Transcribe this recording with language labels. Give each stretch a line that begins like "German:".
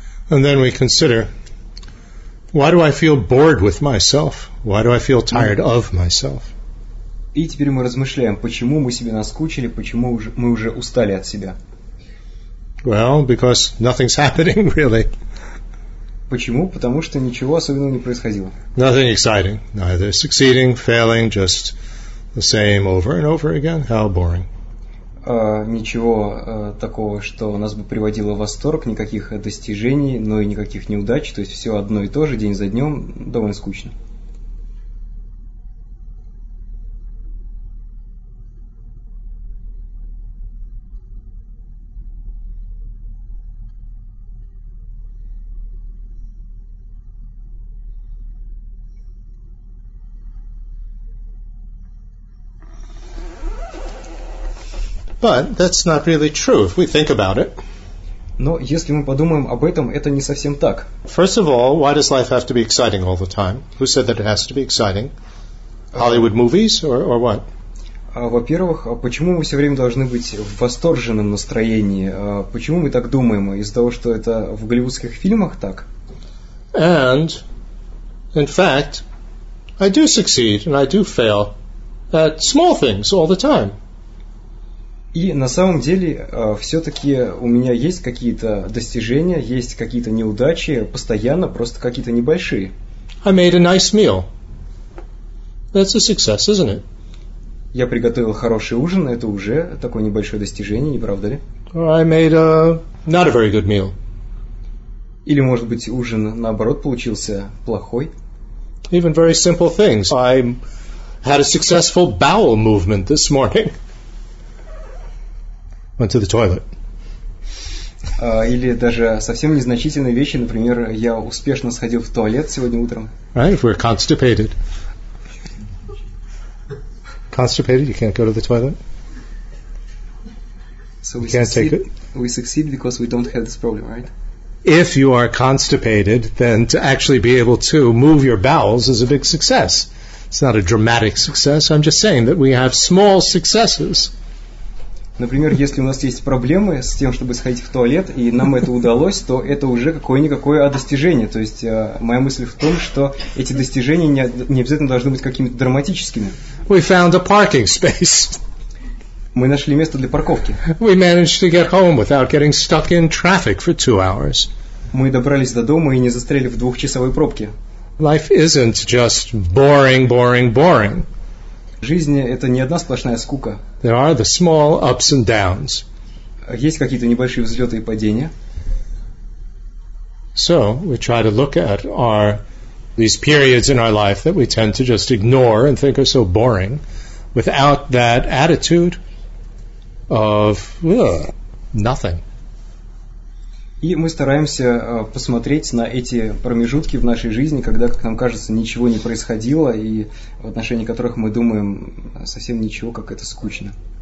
English: And then we consider, why do I feel bored with myself? Why do I feel tired of myself?
Russian: И теперь мы размышляем, почему мы себе наскучили, почему мы уже устали от себя.
English: Well, because nothing's happening, really.
Russian: Почему? Потому что ничего особенного не происходило.
English: Nothing exciting. Neither succeeding, failing, just the same over and over again. How boring.
Russian: Ничего такого, что нас бы приводило в восторг, никаких достижений, но и никаких неудач, то есть все одно и то же, день за днем, довольно скучно.
English: But that's not really true if we think about it.
Russian: Но если мы подумаем об этом, это не совсем так.
English: First of all, why does life have to be exciting all the time? Who said that it has to be exciting? Hollywood movies or what?
Russian: Во-первых, почему мы все время должны быть в восторженном настроении? Почему мы так думаем из-за того, что это в голливудских фильмах так?
English: And in fact, I do succeed and I do fail at small things all the time.
Russian: И на самом деле, все-таки у меня есть какие-то достижения, есть какие-то неудачи, постоянно, просто какие-то небольшие.
English: I made a nice meal. That's a success, isn't it?
Russian: Я приготовил хороший ужин, это уже такое небольшое достижение, не правда ли?
English: I made not a very good meal.
Russian: Или, может быть, ужин, наоборот, получился плохой?
English: Even very simple things. I had a successful bowel movement this morning. Went to the toilet.
Russian: Или даже совсем незначительные вещи, например, я успешно сходил в туалет сегодня утром.
English: Right, if we're constipated. Constipated, you can't go to the toilet. So we can't succeed, take it. We succeed because we don't have this problem, right? If you are constipated, then to actually be able to move your bowels is a big success. It's not a dramatic success. I'm just saying that we have small successes.
Russian: Например, если у нас есть проблемы с тем, чтобы сходить в туалет, и нам это удалось, то это уже какое-никакое достижение. То есть моя мысль в том, что эти достижения не обязательно должны быть какими-то драматическими.
English: We found a parking space.
Russian: Мы нашли место для парковки.
English: We managed to get home without getting stuck in traffic for two hours.
Russian: Мы добрались до дома и не застряли в двухчасовой пробке.
English: Life isn't just boring, boring, boring.
Russian: Жизнь – это не одна сплошная скука.
English: There are the small ups and downs.
Russian: Есть какие-то небольшие взлеты и падения.
English: So we try to look at our these periods in our life that we tend to just ignore and think are so boring, without that attitude of nothing.
Russian: И мы стараемся посмотреть на эти промежутки в нашей жизни, когда, как нам кажется, ничего не происходило, и в отношении которых мы думаем совсем ничего, как это скучно.